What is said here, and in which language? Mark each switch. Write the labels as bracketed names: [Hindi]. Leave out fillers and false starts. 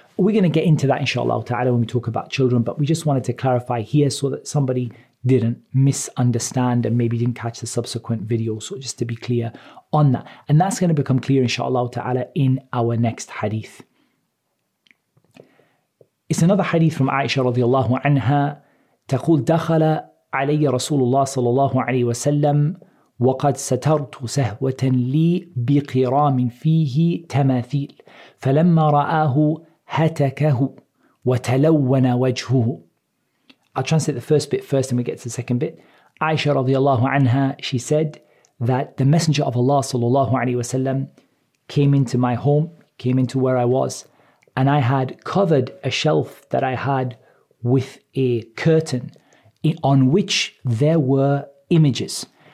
[English] We're going to get into that, inshallah ta'ala, when we talk about children, but we just wanted to clarify here so that somebody didn't misunderstand and maybe didn't catch the subsequent video. So just to be clear on that. And that's going to become clear, inshallah ta'ala, in our next hadith. It's another hadith from Aisha radiallahu anha. [Arabic] تقول دخل علي رسول الله صلى الله عليه وسلم وقد سترت سهوة لي بقرام فيه تماثيل، فلما رآه هتكه وتلون وجهه. [English] I'll translate the first bit first and we get to the second bit. Aisha radiallahu anha, she said that the Messenger of Allah sallallahu alayhi wa sallam came into my home, came into where I was, and I had covered a shelf that I had with a curtain on which there were images.